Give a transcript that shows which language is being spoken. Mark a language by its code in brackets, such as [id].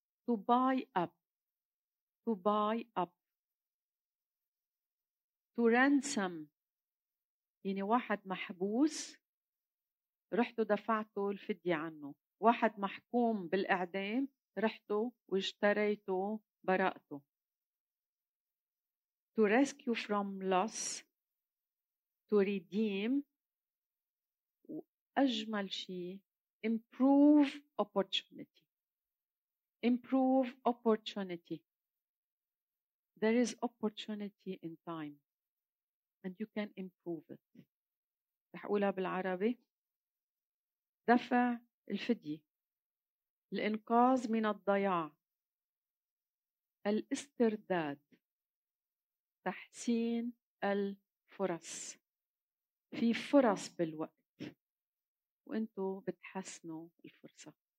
[en] to buy up، to buy up، to ransom، [ar] يعني واحد محبوس رحتوا دفعتوا الفدية عنه، واحد محكوم بالإعدام رحتوا واشتريتوا براءته. [en] to rescue from loss، to redeem، [ar] وأجمل شيء [en] improve opportunity، improve opportunity. There is opportunity in time and you can improve it. [ar] رح أقولها بالعربي. دفع الفدية، الإنقاذ من الضياع، الاسترداد، تحسين الفرص. في فرص بالوقت وأنتوا بتحسنوا الفرصة.